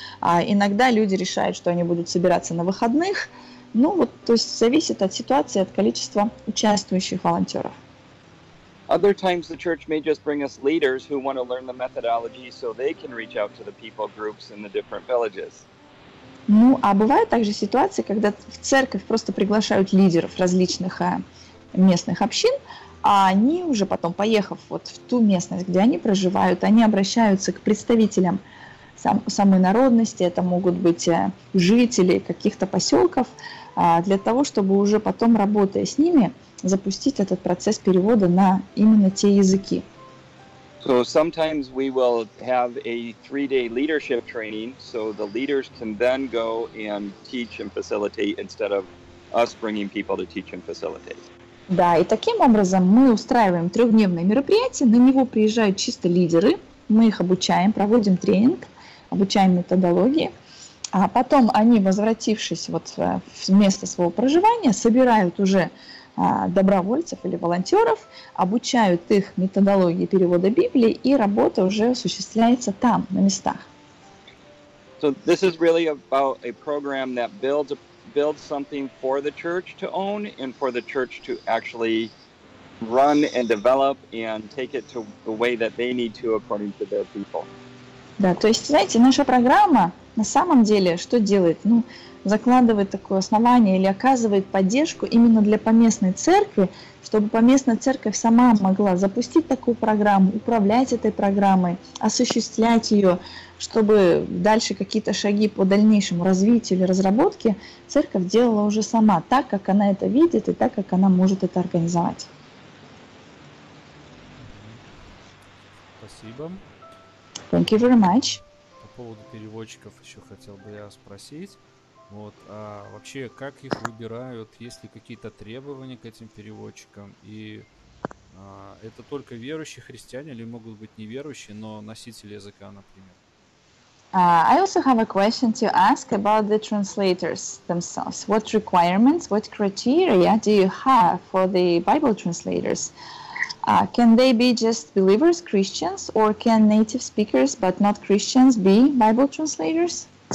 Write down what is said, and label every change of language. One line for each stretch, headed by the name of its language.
Russian: Иногда люди решают, что они будут собираться на выходных. Ну вот, то есть зависит от ситуации, от количества участвующих волонтеров.
English: Other times the church may just bring us leaders who want to learn the methodology so they can reach out to the people groups in the different villages.
Russian: Ну, а бывают также ситуации, когда в церковь просто приглашают лидеров различных местных общин, а они уже потом, поехав вот в ту местность, где они проживают, они обращаются к представителям самой народности, это могут быть жители каких-то поселков, для того, чтобы уже потом, работая с ними, запустить этот процесс перевода на именно те языки.
English: So sometimes we will have a 3-day leadership training, so the leaders can then go and teach and facilitate instead of us bringing people to teach and facilitate.
Russian: Да, и таким образом мы устраиваем 3-дневное мероприятие, на него приезжают чисто лидеры, мы их обучаем, проводим тренинг, обучаем методологии, а потом они, возвратившись вот в место своего проживания, собирают уже добровольцев или волонтеров, обучают их методологии перевода Библии, и работа уже осуществляется там, на местах.
English: So this is really about a program that builds something for the church to own and for the church to actually run and develop and take it to the way that they need to according to their people.
Russian: Да, то есть, знаете, наша программа на самом деле что делает? Ну, закладывает такое основание или оказывает поддержку именно для поместной церкви, чтобы поместная церковь сама могла запустить такую программу, управлять этой программой, осуществлять ее, чтобы дальше какие-то шаги по дальнейшему развитию или разработке церковь делала уже сама, так как она это видит и так как она может это организовать. Спасибо.
English: Thank you very much.
Russian: По поводу переводчиков еще хотел бы я спросить. Вот, а вообще, как их выбирают, есть ли какие-то требования к этим переводчикам, и это только верующие христиане или могут быть неверующие, но носители языка, например?
English: I also have a question to ask about the translators themselves. What requirements, what criteria do you have for the Bible translators? Can they be just believers, Christians, or can native speakers but not Christians be Bible translators?